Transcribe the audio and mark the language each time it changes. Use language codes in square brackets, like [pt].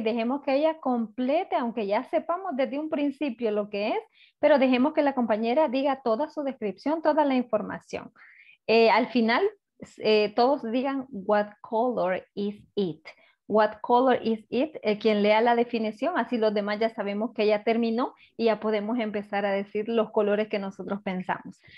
[es] Dejemos que ella complete, aunque ya sepamos desde un principio lo que es, pero dejemos que la compañera diga toda su descripción, toda la información. Al final, todos digan, [en] what color is it? What color is it? [es] Quien lea la definición, así los demás ya sabemos que ya terminó y ya podemos empezar a decir los colores que nosotros pensamos.